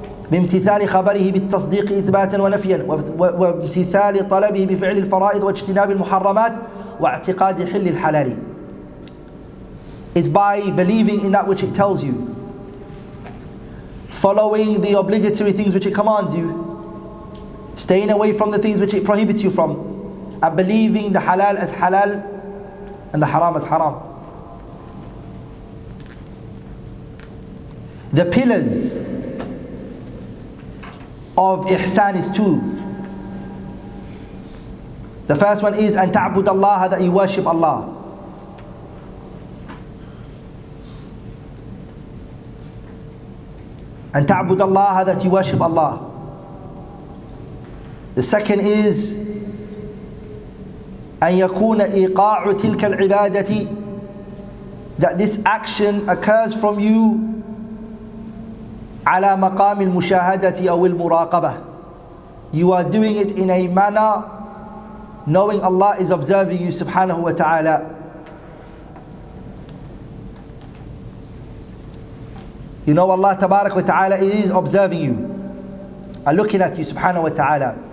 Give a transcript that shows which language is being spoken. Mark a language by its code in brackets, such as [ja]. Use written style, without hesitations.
[ar] بامتثال خبره بالتصديق إثباتا ونفيا وامتثال طلبه بفعل الفرائض واجتناب المحرمات واعتقاد حل الحلال. [en] Is by believing in that which it tells you, following the obligatory things which it commands you, staying away from the things which it prohibits you from, and believing the halal as halal and the haram as haram. The pillars of ihsan is two. The first one is [ar] أن تعبد الله, [en] that you worship Allah. [ar] أن تعبد الله, [en] that you worship Allah. The second is [ar] أن يكون إيقاع تلك العبادة, [en] that this action occurs from you [ar] على مقام المشاهدة أو المراقبة. [en] You are doing it in a manner knowing Allah is observing you subhanahu wa ta'ala. You know Allah tabarak wa ta'ala is observing you and looking at you subhanahu wa ta'ala.